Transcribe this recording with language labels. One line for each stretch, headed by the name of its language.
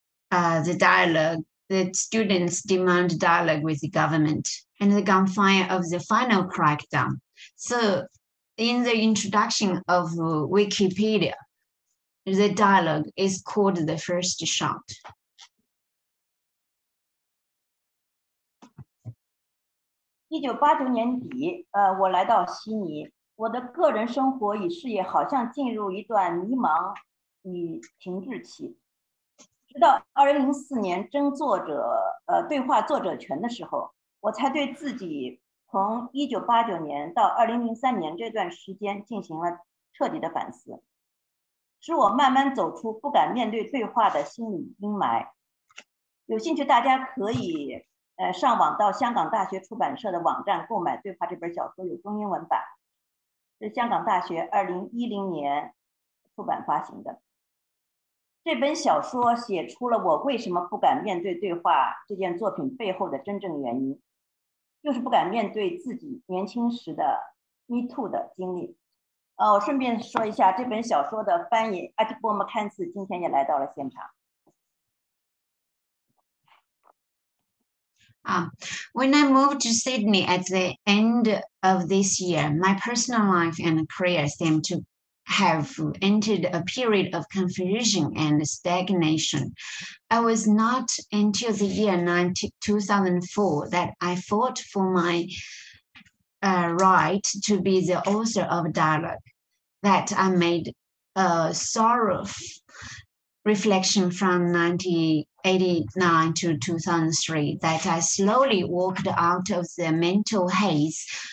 English: The dialogue, the students demand dialogue with the government, and the gunfire of the final crackdown. So in the introduction of Wikipedia, the dialogue is called the first shot.
Chinese: 1989年底，我来到悉尼，我的个人生活与事业好像进入一段迷茫与停滞期。直到2004年争作者，对话作者权的时候，我才对自己从1989年到2003年这段时间进行了彻底的反思，使我慢慢走出不敢面对对话的心理阴霾。有兴趣大家可以上网到香港大学出版社的网站购买《对话》这本小说，有中英文版，是香港大学2010年出版发行的。这本小说写出了我为什么不敢面对《对话》这件作品背后的真正原因，就是不敢面对自己年轻时的 Me Too 的经历。我顺便说一下，这本小说的翻译阿基波莫堪斯今天也来到了现场。
English: When I moved to Sydney at the end of this year, my personal life and career seemed to have entered a period of confusion and stagnation. It was not until the year 2004 that I fought for my right to be the author of dialogue that I made a thorough reflection from 1989 to 2003, that I slowly walked out of the mental haze